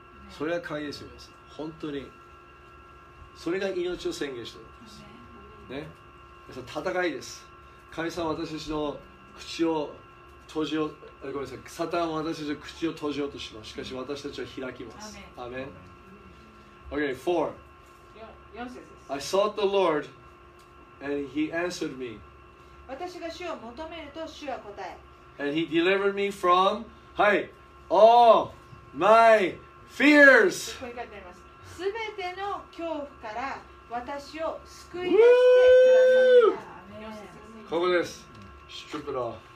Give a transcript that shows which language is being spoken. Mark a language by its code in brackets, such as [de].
[ja] それが歓迎するんです。本当に。それが命を宣言しているんです。ね。戦いです。神様は私たちの口を閉じよう、ごめんなさい、サタンは私たちの口を閉じようとします。しかし私たちは開きます。アメン。OK、4。4 節です。 [en] I sought the Lord and he answered me. [ja] 私が主を求めると主は答え。 [en] And he delivered me from, はい、all my fears. [ja] すべての恐怖から私を救い出してください。ここです。 [en] Strip it off。